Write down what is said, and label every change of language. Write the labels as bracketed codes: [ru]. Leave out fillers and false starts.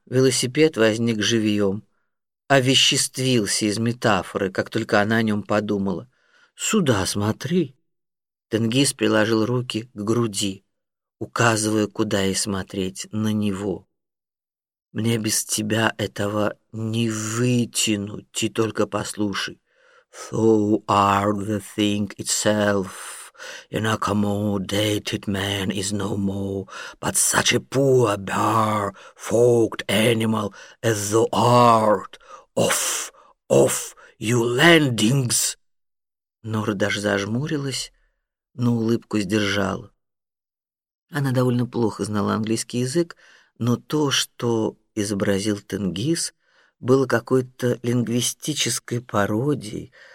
[ru] Велосипед возник живьем. Овеществился из метафоры, как только она о нем подумала. «Сюда смотри!» Тенгиз приложил руки к груди, указывая, куда ей смотреть, на него. «Мне без тебя этого не вытянуть, ты только послушай. [en] Thou art the thing itself, an accommodated man is no more, but such a poor, bare, forked animal as thou art. Off, off, you landings!» [ru] Нора даже зажмурилась, но улыбку сдержала. Она довольно плохо знала английский язык, но то, что изобразил Тенгиз, было какой-то лингвистической пародией.